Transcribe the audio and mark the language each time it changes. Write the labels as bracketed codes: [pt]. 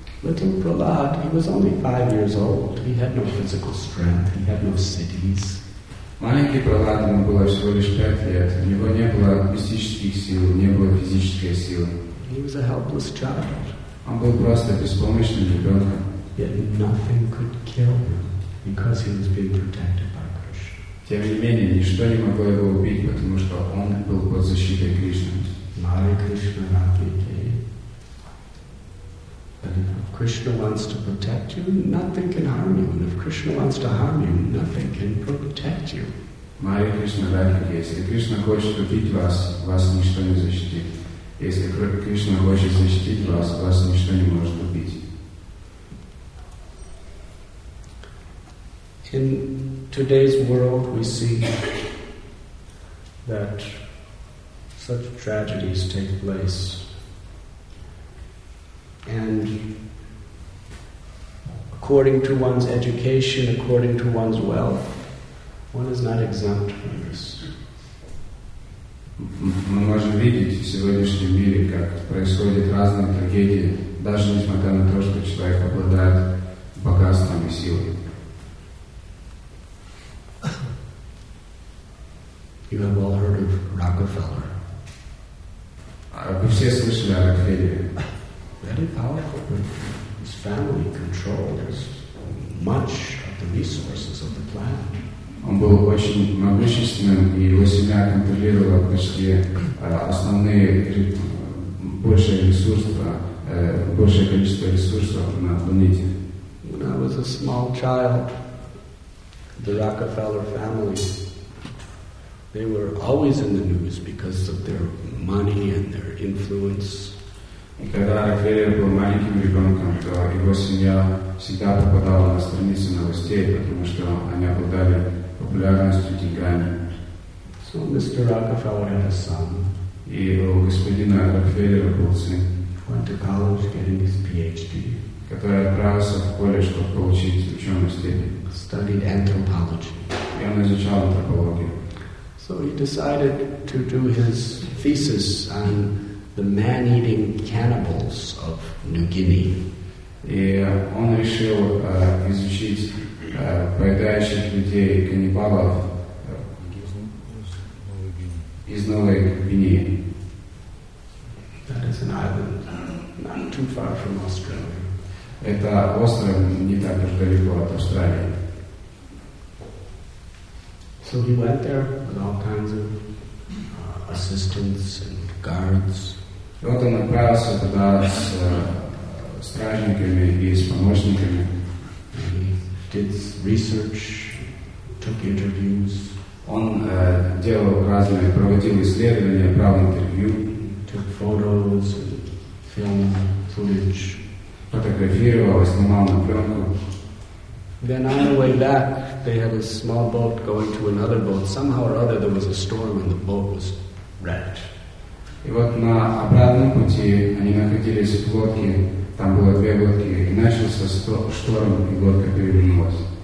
[en] Little Prahlad, he was only 5 years old. He had no physical strength. He had no cities. [ru] Маленький Прохлад, ему было всего лишь 5 лет. У него не было мистических сил, не было физической силы. [en] He was a helpless child. [ru] Он был просто беспомощным ребенком. [en] Yet nothing could kill him because he was being protected by Krishna. [ru] Тем не менее, ничто не могло его убить, потому что он был под защитой Кришны. [en] Hare Krishna, Radhike. But if Krishna wants to protect you, nothing can harm you. And if Krishna wants to harm you, nothing can protect you. Hare Krishna, Radhike. [ru] Если Кришна хочет убить вас, вас ничто не защитит. Если Кришна хочет защитить вас, вас ничто не может убить. [en] In today's world, we see that such tragedies take place. And according to one's education, according to one's wealth, one is not exempt from this. [ru] Мы можем видеть в сегодняшнем мире, как происходят разные трагедии, даже несмотря на то, что человек обладает богатством и силой. [en] You have all heard of Rockefeller. [ru] Вы все слышали о Рокфеллере. [en] Very powerful. His family controls much of the resources of the planet. [ru] Он был очень могущественным, и его семья контролировала почти основные большее количество ресурсов на планете. [en] When I was a small child, the Rockefeller family, they were always in the news because of their money and their influence. [ru] И когда Рокфеллер был маленьким ребенком, то его семья всегда попадала на страницы новостей, потому что они обладали популярностью и деньгами. [en] So Mr. Rockefeller had a son. [ru] И у господина Рокфеллера был сын. [en] Went to college getting his PhD. [ru] Который отправился в колледж, чтобы получить ученую степень. [en] Studied anthropology. [ru] И он изучал антропологию. [en] So he decided to do his thesis on the man-eating cannibals of New Guinea. [ru] Он решил изучить поедающих людей каннибалов из Новой Гвинеи. [en] That is an island not too far from Australia. [ru] Это остров не так уж далеко от Австралии. [en] So he went there with all kinds of assistants and guards. [ru] И вот он отправился туда с стражниками и с помощниками. [en] He did research, took interviews. [ru] Он делал разные, проводил исследования, брал интервью. [en] Took photos and film footage. [ru] Фотографировал, снимал на пленку. [en] Then on the way back, they had a small boat going to another boat. Somehow or other, there was a storm and the boat was wrecked. [ru] И вот на обратном пути они находились в лодке, там было 2 лодки, и начался шторм, и лодка перевернулась.